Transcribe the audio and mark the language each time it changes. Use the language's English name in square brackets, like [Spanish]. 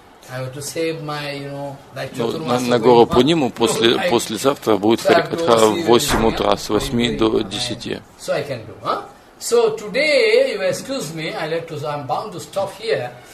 [English] I have to save my, you know, like. [Russian] Ну, на гору Пуниму послезавтра будет Харикатха в 8 утра, с 8 до 10. [English] So I can do, huh? So today, you excuse me, I like to say, I'm bound to stop here.